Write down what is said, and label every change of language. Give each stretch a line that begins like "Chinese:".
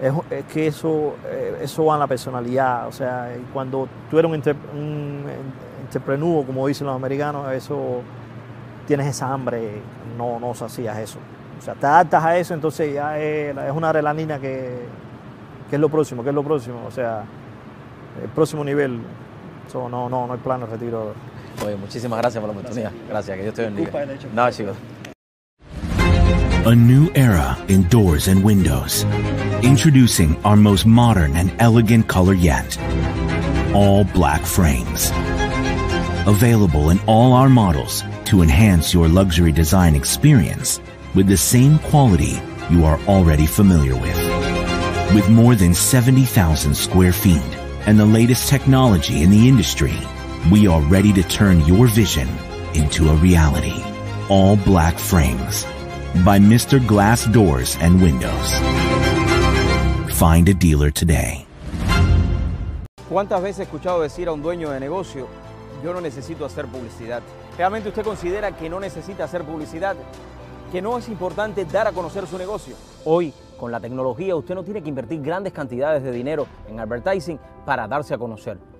Spanish: Es que eso va en la personalidad. O sea, cuando tú eres un entrepreneur, como dicen los americanos, eso, tienes esa hambre, no sacías eso. O sea, te adaptas a eso, entonces ya es una adrenalina que es lo próximo. O sea, el próximo nivel. Eso, no hay plan de retiro. Oye, muchísimas gracias por la oportunidad. Gracias, que Dios te bendiga. No, chicos.
English: A new era in doors and windows. Introducing our most modern and elegant color yet. All black frames. Available in all our models to enhance your luxury design experience with the same quality you are already familiar with. With more than 70,000 square feet and the latest technology in the industry, we are ready to turn your vision into a reality. All black frames. By Mr. Glass Doors and Windows. Find a dealer today.
Spanish: ¿Cuántas veces he escuchado decir a un dueño de negocio, yo no necesito hacer publicidad? ¿Realmente usted considera que no necesita hacer publicidad? ¿Que no es importante dar a conocer su negocio? Hoy, con la tecnología, usted no tiene que invertir grandes cantidades de dinero en advertising para darse a conocer.